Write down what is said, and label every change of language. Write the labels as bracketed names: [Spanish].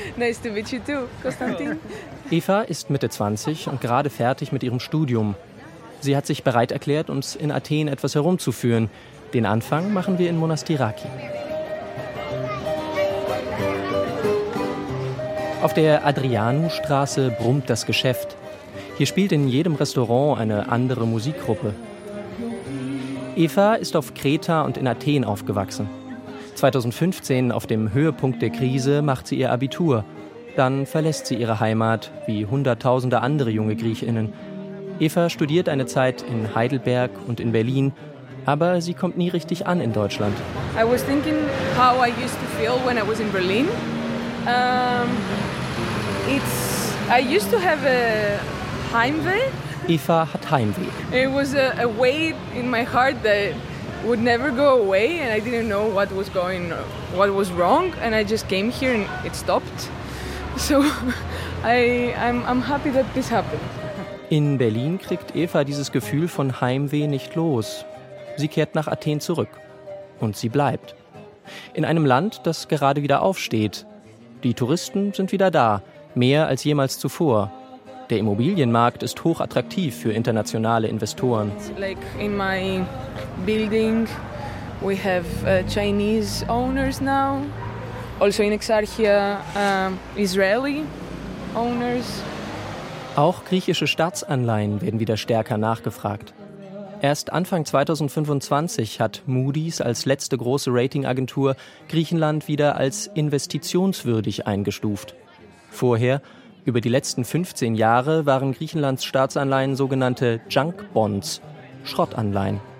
[English] Nice to meet you too, Konstantin. [German] Eva ist Mitte 20 und gerade fertig mit ihrem Studium. Sie hat sich bereit erklärt, uns in Athen etwas herumzuführen. Den Anfang machen wir in Monastiraki. Auf der Adrianustraße brummt das Geschäft. Hier spielt in jedem Restaurant eine andere Musikgruppe. Eva ist auf Kreta und in Athen aufgewachsen. 2015, auf dem Höhepunkt der Krise, macht sie ihr Abitur. Dann verlässt sie ihre Heimat, wie hunderttausende andere junge GriechInnen. Eva studiert eine Zeit in Heidelberg und in Berlin, aber sie kommt nie richtig an in Deutschland. [English] I was thinking how I used to feel when I was in Berlin. I used to have a Heimweh. [German] Eva hat Heimweh. [English] It was a weight in my heart that would never go away and I didn't know what was wrong and I just came here and it stopped. So I'm happy that this happened. [German] In Berlin kriegt Eva dieses Gefühl von Heimweh nicht los. Sie kehrt nach Athen zurück. Und sie bleibt. In einem Land, das gerade wieder aufsteht. Die Touristen sind wieder da, mehr als jemals zuvor. Der Immobilienmarkt ist hochattraktiv für internationale Investoren. [English] Like in my building we have Chinese owners now. Also in Exarchia Israeli owners. [German] Auch griechische Staatsanleihen werden wieder stärker nachgefragt. Erst Anfang 2025 hat Moody's als letzte große Ratingagentur Griechenland wieder als investitionswürdig eingestuft. Vorher, über die letzten 15 Jahre, waren Griechenlands Staatsanleihen sogenannte Junk Bonds, Schrottanleihen.